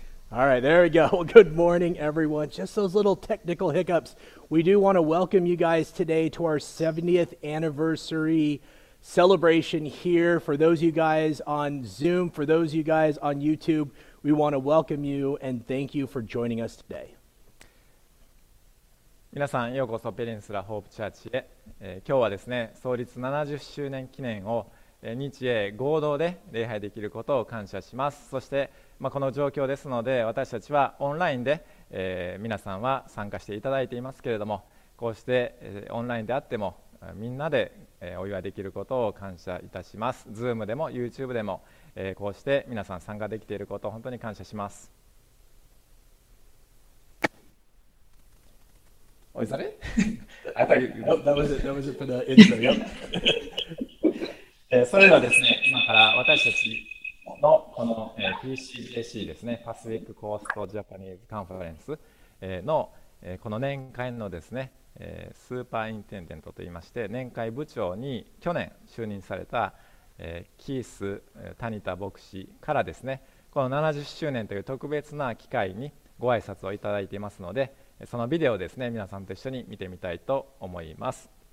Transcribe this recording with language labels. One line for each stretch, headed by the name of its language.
English: All All right, there we go. Well, good morning, everyone. Just those little technical hiccups. We do want to welcome you guys today to our 70th anniversary celebration here. For those of you guys on Zoom, for those of you guys on YouTube, we want to welcome you and thank you for joining us today.
Japanese: 皆さん、ようこそペニンスラホープチャーチへ。今日はですね、創立70周年記念を日英合同で礼拝できることを感謝します。そして、まあ、この状況ですので、私たちはオンラインで、皆さんは参加していただいていますけれども、こうして、オンラインであっても、みんなで、お祝いできることを感謝いたします。 Zoom でも YouTube でも、こうして皆さん参加できていることを本当に感謝します。
English: Oh, is that it? I thought you... Nope, that was it for the intro, yep.
Japanese: それではですね、今から私たちのこの PCJC ですね、パシフィックコーストジャパニーズカンファレンスのこの年会のですね、スーパーインテンデントといいまして、年会部長に去年就任されたキース・タニタ牧師からですね、この70周年という特別な機会にご挨拶をいただいていますので、そのビデオをですね、皆さんと一緒に見てみたいと思います。